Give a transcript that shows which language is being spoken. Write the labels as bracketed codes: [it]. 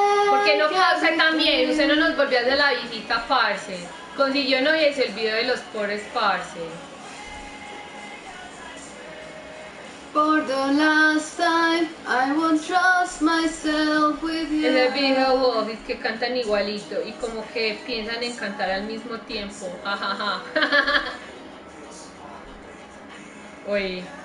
[es] Porque no pasa también, usted no nos volvió de la visita, parce. Consiguió novia y se olvidó de los pobres, parce. [en] For the last time, I won't trust myself with you. [es] Es el video Wolf, es que cantan igualito y como que piensan en cantar al mismo tiempo. Ajá. Oye.